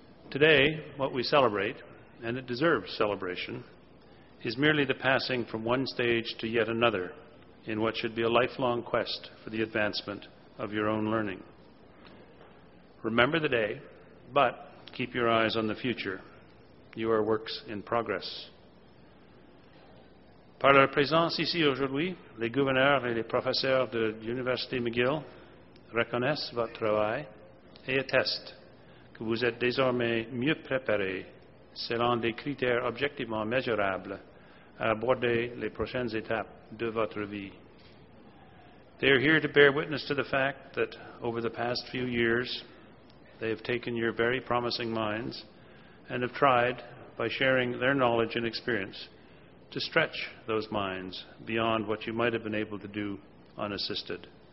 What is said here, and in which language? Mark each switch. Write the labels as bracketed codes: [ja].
[en] Today, what we celebrate, and it deserves celebration, is merely the passing from one stage to yet another in what should be a lifelong quest for the advancement of your own learning. Remember the day, but keep your eyes on the future. You are works in progress. [fr] Par leur présence ici aujourd'hui, les gouverneurs et les professeurs de l'Université McGill reconnaissent votre travail et attestent que vous êtes désormais mieux préparés selon des critères objectivement mesurables à aborder les prochaines étapes de votre vie. [en] They are here to bear witness to the fact that over the past few years, they have taken your very promising minds and have tried, by sharing their knowledge and experience, to stretch those minds beyond what you might have been able to do unassisted.